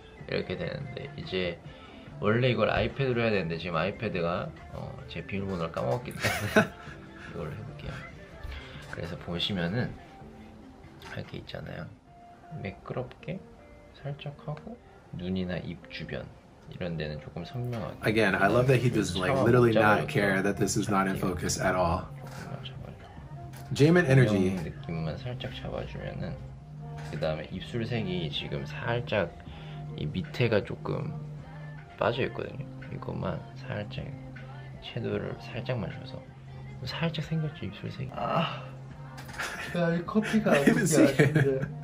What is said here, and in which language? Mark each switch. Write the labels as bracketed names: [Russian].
[Korean] 이렇게 되는데 이제 원래 이걸 아이패드로 해야 되는데 지금 아이패드가 제 비밀번호를 까먹었기 때문에 이걸 해볼게요. 그래서 보시면은 이렇게 있잖아요. 매끄럽게 살짝 하고 눈이나 입 주변 이런 데는 조금 선명하게. [English] Again, I love that he does like literally not care that this is not in focus at all. Jamin energy. [Korean] 느낌만 살짝 잡아주면은 그다음에 입술색이 지금 살짝 이 밑에가 조금 빠져 있거든요. 이것만 살짝 섀도우를 살짝만 줘서 살짝 생겼죠 입술색이. 아, 야, 이 커피가 안 오는 게 아쉽네.